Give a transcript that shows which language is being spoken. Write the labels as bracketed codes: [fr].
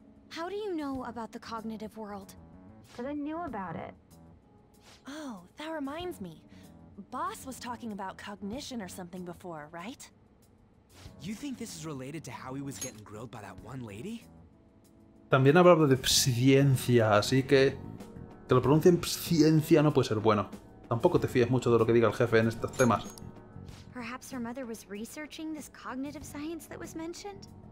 [en] How do you know about the cognitive world? Because I knew about it. Oh, that reminds me. Boss was talking about cognition or something before, right? You think this is related to how he was getting grilled by that one lady? [es] También hablaba de psiciencia, así que lo pronuncien psiciencia no puede ser bueno. Tampoco te fíes mucho de lo que diga el jefe en estos temas. [en] Perhaps her mother was researching this cognitive science that was mentioned.